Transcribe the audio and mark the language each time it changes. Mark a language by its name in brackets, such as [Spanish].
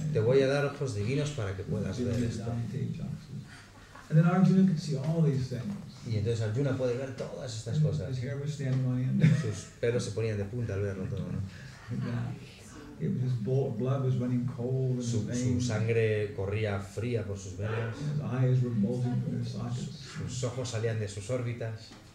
[Spanish] Te voy a dar ojos divinos para que puedas ver esto. [English] And then Arjuna can see all these things. [Spanish] Y entonces Arjuna puede ver todas estas cosas. [English] His hair was standing on end. [Spanish] Sus pelos se ponían de punta al verlo todo, ¿no? [English] His blood was running cold in [Spanish] su, [English] his veins. [Spanish] Su sangre corría fría por sus venas. [English] His eyes were bulging from his sockets. [Spanish] Sus ojos salían de sus órbitas.